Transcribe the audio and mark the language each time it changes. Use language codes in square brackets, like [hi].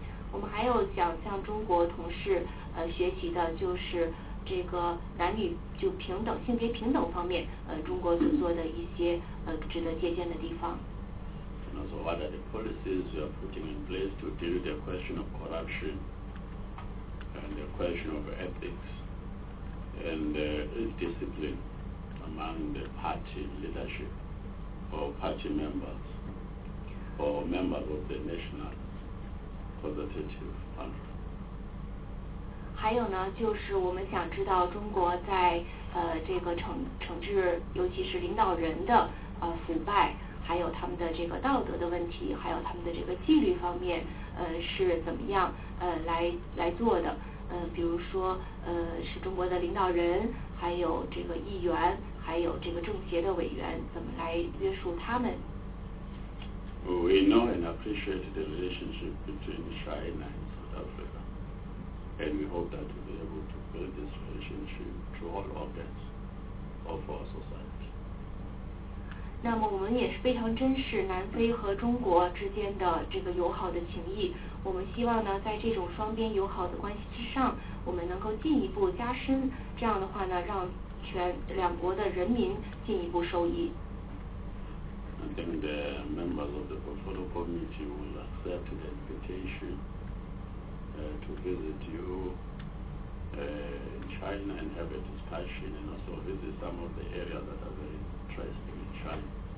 [zh] 我们还有想向中国同事学习的就是这个男女就平等性别平等方面中国所做的一些值得借鉴的地方。 [en] And also what are the policies you are putting in place to deal with the question of corruption and the question of ethics and discipline among the party leadership or party members? Or members of the National Conservative Party. [zh] 还有呢，就是我们想知道中国在这个惩治，尤其是领导人的腐败，还有他们的这个道德的问题，还有他们的这个纪律方面是怎么样来做的？比如说是中国的领导人，还有这个议员，还有这个政协的委员，怎么来约束他们？ [en] We know and appreciate the relationship between China and South Africa, and we hope that we'll be able to build this relationship to all organs of our society. [zh] 那么我们也是非常珍视南非和中国之间的这个友好的情谊。我们希望呢，在这种双边友好的关系之上，我们能够进一步加深。这样的话呢，让全两国的人民进一步受益。 [en] I think the members of the portfolio committee will accept the invitation to visit you in China and have a discussion and also visit some of the areas that are very interesting in China.